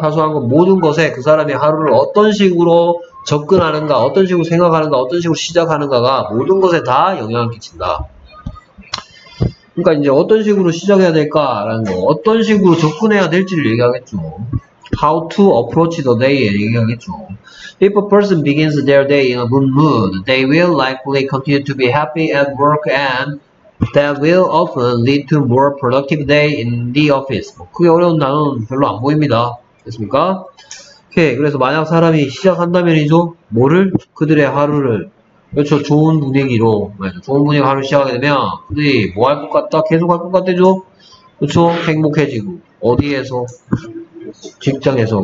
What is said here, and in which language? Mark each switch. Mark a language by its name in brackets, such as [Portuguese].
[Korean] 사소한 것 모든 것에 그 사람의 하루를 어떤 식으로 접근하는가, 어떤 식으로 생각하는가, 어떤 식으로 시작하는가가 모든 것에 다 영향을 끼친다. 그러니까 이제 어떤 식으로 시작해야 될까라는 거, 어떤 식으로 접근해야 될지를 얘기하겠죠. [English] How to approach the day [Korean] 얘기하겠죠. [English] If a person begins their day in a good mood, they will likely continue to be happy at work and that will often lead to more productive day in the office. [Korean] 뭐 크게 어려운 단어는 별로 안 보입니다. 됐습니까? 오케이. 그래서 만약 사람이 시작한다면이죠? 뭐를? 그들의 하루를. 그렇죠. 좋은 분위기로. 맞아. 좋은 분위기 하루 시작하게 되면, 그들이 뭐할것 같다? 계속 할것 같대죠? 그렇죠. 행복해지고. 어디에서? 직장에서.